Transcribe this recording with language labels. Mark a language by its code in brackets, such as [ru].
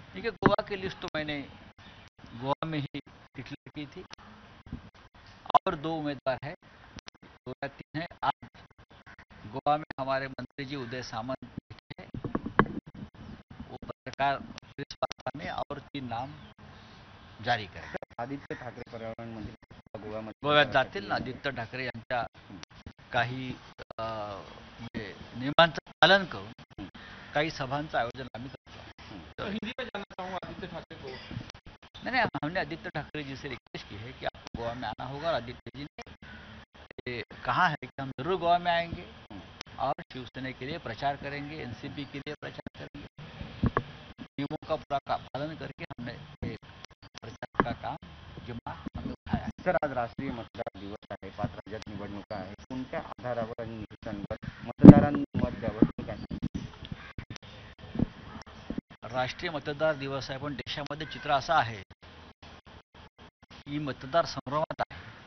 [hi] देखिए गोवा की लिस्ट तो मैंने गोवा में ही डिक्लेयर की थी और दो उम्मीदवार है, दो या तीन है. आज गोवा में हमारे मंत्री जी उदय सामंत थे, वो पत्रकार प्रेस वार्ता में और तीन नाम जारी करें. [mr] आदित्य ठाकरे पर्यावरण मंत्री गोव्यात जातील ना. आदित्य ठाकरे यांच्या काही नियमांचं पालन करून काही सभांचं आयोजन आम्ही करतो. [hi] हिंदी में जाना चाहूंगा आदित्य ठाकरे को. नहीं, हमने आदित्य ठाकरे जी से रिक्वेस्ट की है कि आपको गोवा में आना होगा. आदित्य जी ने कहा है कि हम जरूर गोवा में आएंगे और शिवसेना के लिए प्रचार करेंगे, एनसीपी के लिए प्रचार करेंगे. नियमों का पूरा पालन करके हमने एक प्रचार का काम जिम्मा हमने उठाया. [mr] सर, आज राष्ट्रीय मतदार दिवस आहे, 5 राज्यात निवडणुका आहे, कोणत्या आधारावर आणि निकषांवर मतदारांनी मत द्यावं? राष्ट्रीय मतदार दिवस आहे, पण देशामध्ये चित्र असं आहे की मतदार संभ्रमात आहे.